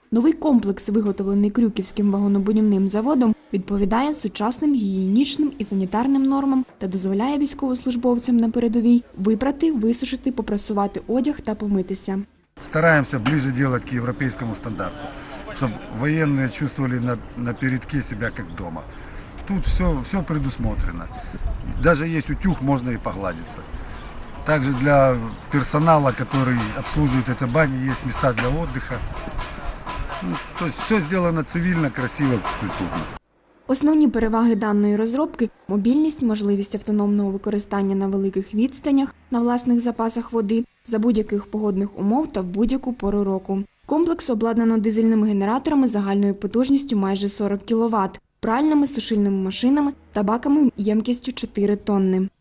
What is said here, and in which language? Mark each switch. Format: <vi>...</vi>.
<uk>Новий комплекс, виготовлений Крюківським вагонобудівним заводом, відповідає сучасним гігієнічним і санітарним нормам та дозволяє військовослужбовцям на передовій випрати, висушити, попрасувати одяг та помитися. Стараємося ближче робити до європейського стандарту, щоб воєнні відчували напередки себе як вдома.</uk> <ru>Тут все предусмотрено.</ru> <uk>Навіть є утюг, можна і погладитися.</uk> <ru>Также для персонала, который обслуживает эту баню, есть места для отдыха. Ну, то есть все сделано цивильно, красиво, культурно.</ru> <uk>Основні переваги даної розробки – мобільність, можливість автономного використання на великих відстанях, на власних запасах води, за будь-яких погодних умов та в будь-яку пору року. Комплекс обладнано дизельними генераторами загальною потужністю майже 40 кВт, пральними сушильними машинами та баками ємкістю 4 тонни.</uk>